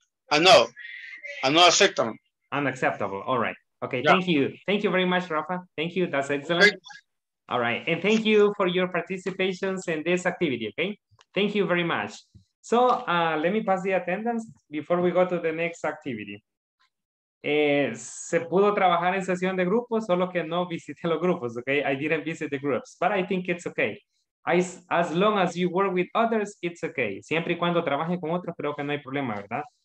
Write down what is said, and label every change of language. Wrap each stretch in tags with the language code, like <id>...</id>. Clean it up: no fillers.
<en>I'm not acceptable. Unacceptable. All right. Okay, yeah. Thank you. Thank you very much, Rafa. Thank you. That's excellent. Okay. All right. And thank you for your participations in this activity. Okay. Thank you very much. So let me pass the attendance before we go to the next activity.</en> <es>Se pudo trabajar en sesión de grupos, solo que no visité los grupos, okay?</es> <en>I didn't visit the groups, but I think it's okay. As long as you work with others, it's okay.</en> <es>Siempre y cuando trabaje con otros, creo que no hay problema, ¿verdad?</es>